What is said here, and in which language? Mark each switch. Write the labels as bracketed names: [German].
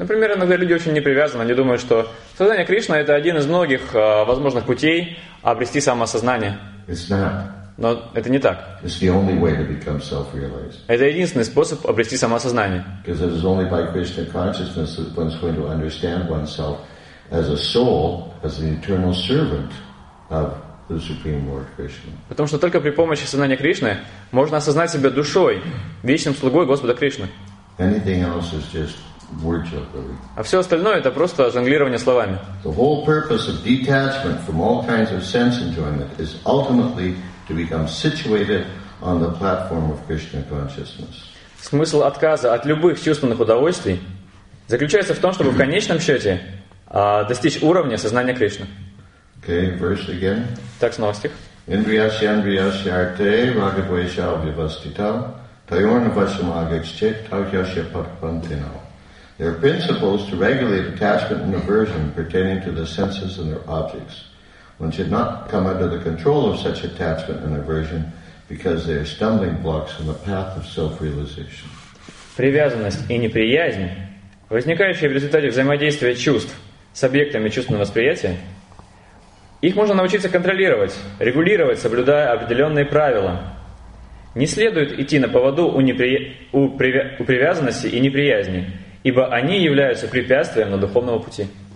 [Russian] Например, иногда люди очень непривязаны. Они думают, что сознание Кришны — это один из многих возможных путей обрести самосознание. [English] It's not. [Russian] Но это не так. [English] It's the only way to become self-realized. [Russian] Это единственный способ обрести самосознание. [English] Because it is only by Krishna consciousness that one's going to understand oneself as a soul, as an eternal servant of the Supreme Lord Krishna. [Russian] Потому что только при помощи сознания Кришны можно осознать себя душой, вечным слугой Господа Кришны. [English] Anything else is just word jugglery. [Russian] А все остальное это просто жонглирование словами. [English] The whole purpose of detachment from all kinds of sense enjoyment is ultimately to become situated on the platform of Krishna consciousness. [Russian] Смысл отказа от любых чувственных удовольствий заключается в том, чтобы в конечном счете достичь уровня сознания Кришны. [English] Okay, verse again. [Russian] Так, снова стих. [Sanskrit] Индриясьяндриясьярте рагадвейшавиваститам тайорнавасамагаччет таухяшепатпантинам. [English] There are principles to regulate attachment and aversion pertaining to the senses and their objects. One should not come under the control of such attachment and aversion because they are stumbling blocks in the path of self-realization. [Russian] Привязанность и неприязнь, возникающие в результате взаимодействия чувств с объектами чувственного восприятия, их можно научиться контролировать, регулировать, соблюдая определенные правила. Не следует идти на поводу у привязанности и неприязни, ибо они являются препятствием на духовном пути.